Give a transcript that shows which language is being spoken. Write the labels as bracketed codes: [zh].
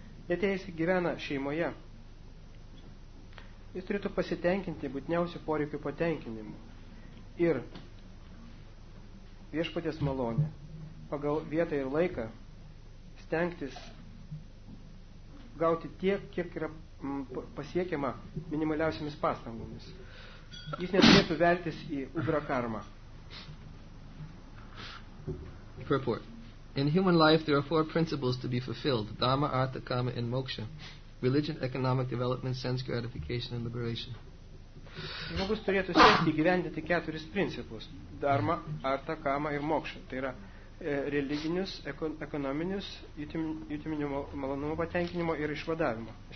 [lt] Net jei jis gyvena šeimoje, jis turėtų pasitenkinti būtiniausių poreikių patenkinimu ir viešpaties malonę pagal vietą ir laiką stengtis gauti tiek, kiek yra pasiekiama minimaliausiamis pastangomis. Jis neturėtų veltis į ugra karmą. [en] Purport: in human life there are four principles to be fulfilled: dharma, artha, kama, and moksha. Religion, economic development, sense gratification, and liberation. [lt] Žmogus turėtų siekti įgyvendinti keturis principus: dharma, artha, kama ir moksha. Tai yra religinius, ekonominius, jutiminių malonumų patenkinimo ir išvadavimo.